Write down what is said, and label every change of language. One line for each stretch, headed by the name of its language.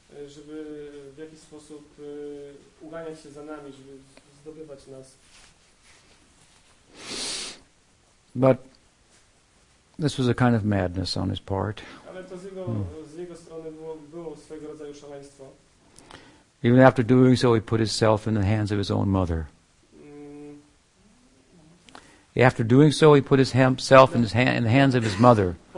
Polish: żeby w jakiś sposób uganiać się za nami, żeby zdobywać nas.
English: But this was a kind of madness on his part.
Polish: Ale to z jego strony było swego rodzaju szaleństwo.
English: Even after doing so, he put himself in the hands of his own mother. After doing so, he put himself in the hands of his mother.